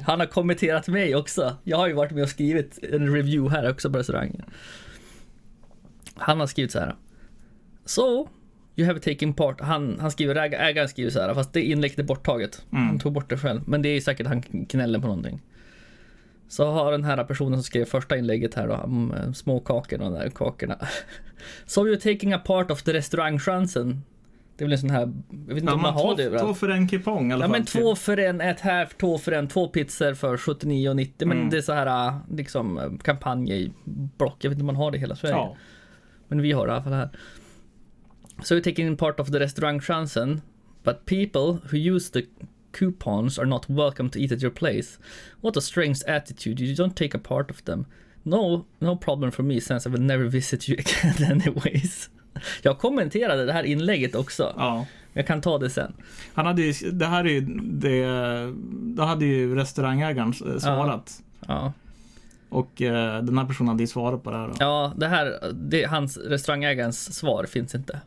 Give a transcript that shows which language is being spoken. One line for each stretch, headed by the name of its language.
Swedish: Han har kommenterat mig också. Jag har ju varit med och skrivit en review här också på restaurangen. Han har skrivit så här.
English: So, you have taken part.
Swedish: Han skriver, ägaren skriver så här. Fast det inlägget är borttaget. Mm. Han tog bort det själv. Men det är ju säkert han knäller på någonting. Så har den här personen som skrev första inlägget här då, om små kakorna och där kakorna.
English: So you're taking a part of the restaurangchansen.
Swedish: Det är väl en sån här, jag vet inte om man har det. Två för en kupong i alla fall. Ja men två för en, ett här, två för en, två pizzor för 79,90. Men det är så här liksom kampanj i block. Jag vet inte om man har det i hela Sverige. Ja. Men vi har det i alla fall här.
English: So you're taking a part of the restaurangchansen. But people who use the coupons are not welcome to eat at your place. What a strange attitude. You don't take a part of them. No problem for me since I will never visit you again anyways.
Swedish: Jag kommenterade det här inlägget också. Ja. Jag kan ta det sen. Han hade ju, det här är ju det, då hade ju restaurangägaren svarat. Ja. Och den här personen hade ju svarat på det här då. Ja, det här det hans restaurangägarens svar finns inte.